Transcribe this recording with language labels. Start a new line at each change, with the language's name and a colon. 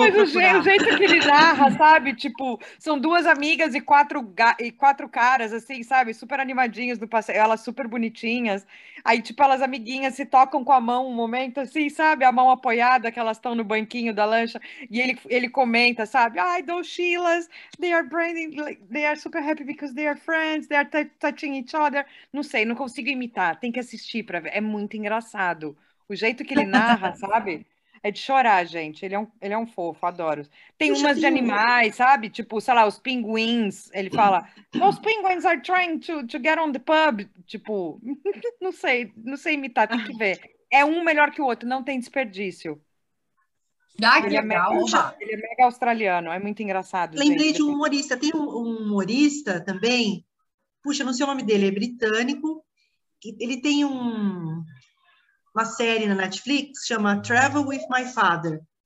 Portuguese: Mas o jeito que ele narra, sabe? Tipo, são duas amigas e quatro caras, assim, sabe? Super animadinhas do passeio, elas super bonitinhas. Aí, tipo, elas amiguinhas se tocam com a mão um momento, assim, sabe? A mão apoiada, que elas estão no banquinho da lancha. E ele comenta, sabe? Ai,
English: those Sheilas, they are branding, they are super happy because they are friends, they are touching each other.
Portuguese: Não sei, não consigo imitar. Tem que assistir pra ver. É muito engraçado. O jeito que ele narra, sabe? É de chorar, gente. Ele é um fofo, adoro. Tem umas de animais, sabe? Tipo, sei lá, os pinguins. Ele fala,
English: those penguins are trying to get on the pub.
Portuguese: Tipo, não sei imitar, tem que ver. É um melhor que o outro, não tem desperdício. Ele é mega australiano, é muito engraçado. Lembrei de um humorista, tem um humorista também. Puxa, não sei o nome dele, é britânico. Ele tem uma série na Netflix, chama Travel with My Father.